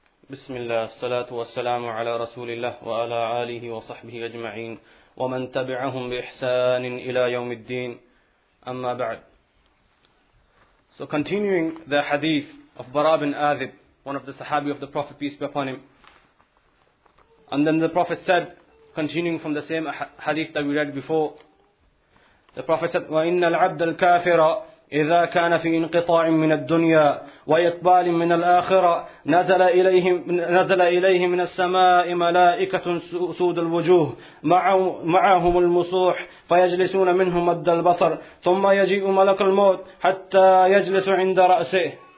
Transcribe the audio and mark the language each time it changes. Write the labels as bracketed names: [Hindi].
[Arabic] بسم الله، الصلاة والسلام على رسول الله وعلى آله وصحبه أجمعين ومن تبعهم بإحسان إلى يوم الدين، أما بعد. [English] So continuing the hadith of Bara bin Azib, one of the Sahabi of the Prophet, peace be upon him. And then the Prophet said, [Arabic] continuing from the same hadith that we read before, the Prophet said, وَإِنَّ الْعَبْدَ الْكَافِرَ إذا كان في انقطاع من الدنيا وإقبال من الآخرة نزل إليه من السماء ملائكة سود الوجوه معهم المصوح فيجلسون منهم مد البصر ثم يجيء ملك الموت حتى يجلس عند رأسه.